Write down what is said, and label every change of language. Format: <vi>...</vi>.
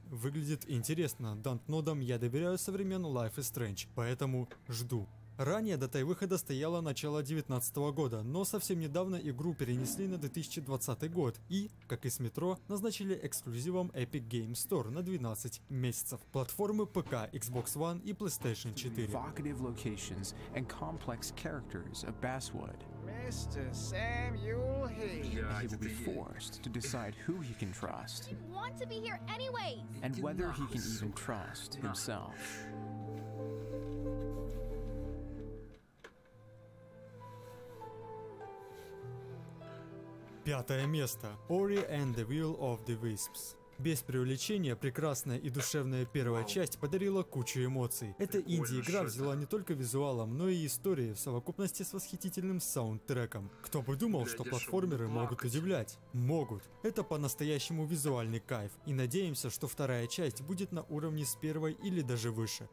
<ru>Выглядит интересно, Dontnod'ам я доверяю со времен Life is Strange, поэтому жду. Ранее датой выхода стояло начало 2019 года, но совсем недавно игру перенесли на 2020 год и, как и с Метро, назначили эксклюзивом Epic Game Store на 12 месяцев. Платформы ПК, Xbox One и PlayStation 4.</ru> <en>Evocative locations and complex characters of Basswood. Mr. Samuel Hayes. He will be forced to decide who he can trust. He didn't want to be here anyways. And whether he can even trust himself.</en> <ru>Пятое место.</ru> <en>Ori and the Will of the Wisps.</en> <ru>Без преувеличения, прекрасная и душевная первая часть подарила кучу эмоций. Эта инди-игра взяла не только визуалом, но и историей в совокупности с восхитительным саундтреком. Кто бы думал, что платформеры могут удивлять? Могут. Это по-настоящему визуальный кайф. И надеемся, что вторая часть будет на уровне с первой или даже выше.</ru>